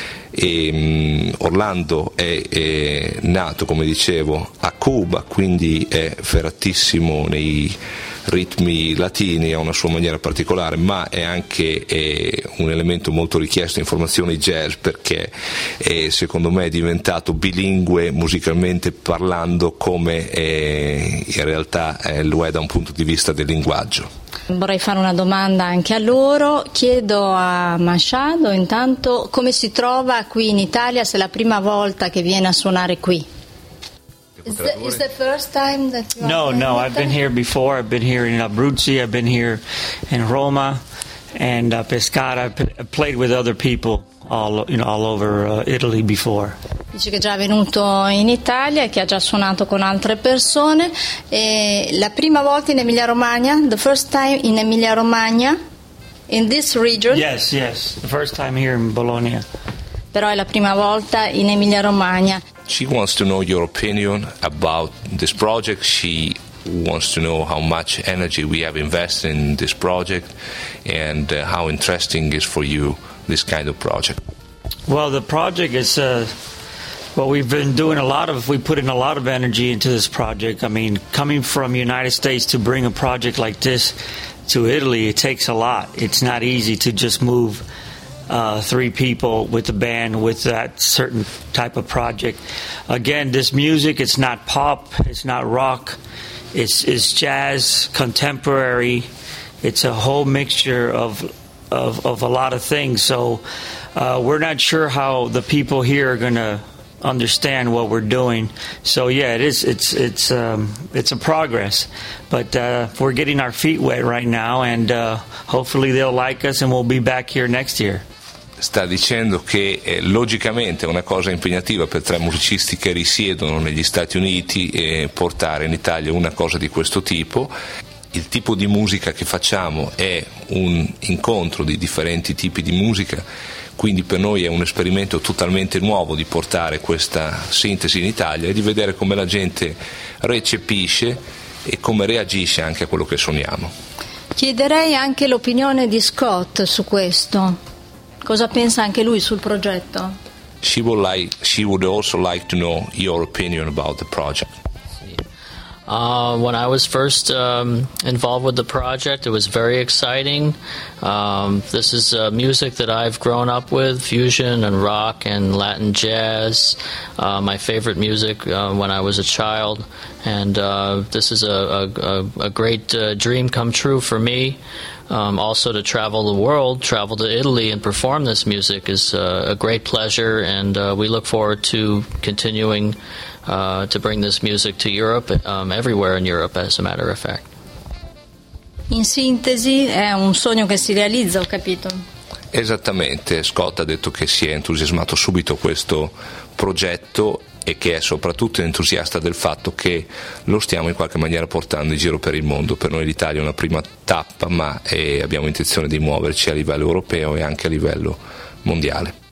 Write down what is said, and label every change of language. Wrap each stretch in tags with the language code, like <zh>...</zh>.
<it>E Orlando è nato, come dicevo, a Cuba, quindi è ferratissimo nei ritmi latini, ha una sua maniera particolare, ma è anche un elemento molto richiesto in formazione jazz, perché è, secondo me, è diventato bilingue musicalmente parlando, come in realtà lo è da un punto di vista del linguaggio. Vorrei fare una domanda anche a loro. Chiedo a Machado intanto come si trova qui in Italia, se è la prima volta che viene a suonare qui.</it> <en>Is the first time that you No, no, I've been here before. I've been here in Abruzzi, I've been here in Roma and Pescara. I've played with other people all over Italy before.</en> <it>Dice che è già venuto in Italia e che ha già suonato con altre persone. E la prima volta in Emilia-Romagna?</it> <en>The first time in Emilia-Romagna? In this region? Yes, yes. The first time here in Bologna.</en> <it>Però è la prima volta in Emilia-Romagna.</it> <en>She wants to know your opinion about this project. She wants to know how much energy we have invested in this project and how interesting is for you this kind of project. Well, the project is... Well, we've been doing a lot of, we put in a lot of energy into this project. I mean, coming from the United States to bring a project like this to Italy, it takes a lot. It's not easy to just move three people with a band with that certain type of project. Again, this music, it's not pop, it's not rock, it's jazz, contemporary. It's a whole mixture of a lot of things. So we're not sure how the people here are going to understand what we're doing. So yeah, it's a progress, but we're getting our feet wet right now and hopefully they'll like us and we'll be back here next year.</en> <it>Sta dicendo che logicamente è una cosa impegnativa per tre musicisti che risiedono negli Stati Uniti e portare in Italia una cosa di questo tipo. Il tipo di musica che facciamo è un incontro di differenti tipi di musica, quindi per noi è un esperimento totalmente nuovo di portare questa sintesi in Italia e di vedere come la gente recepisce e come reagisce anche a quello che suoniamo. Chiederei anche l'opinione di Scott su questo. Cosa pensa anche lui sul progetto?</it> <en>She would also like to know your opinion about the project. When I was first involved with the project, it was very exciting. This is music that I've grown up with, fusion and rock and Latin jazz, my favorite music when I was a child. And this is a great dream come true for me. Also to travel the world, travel to Italy and perform this music is a great pleasure, and we look forward to continuing to bring this music to Europe, everywhere in Europe, as a matter of fact.</en> <it>In sintesi, è un sogno che si realizza, ho capito. Esattamente, Scott ha detto che si è entusiasmato subito questo progetto e che è soprattutto entusiasta del fatto che lo stiamo in qualche maniera portando in giro per il mondo. Per noi l'Italia è una prima tappa, ma abbiamo intenzione di muoverci a livello europeo e anche a livello mondiale.</it>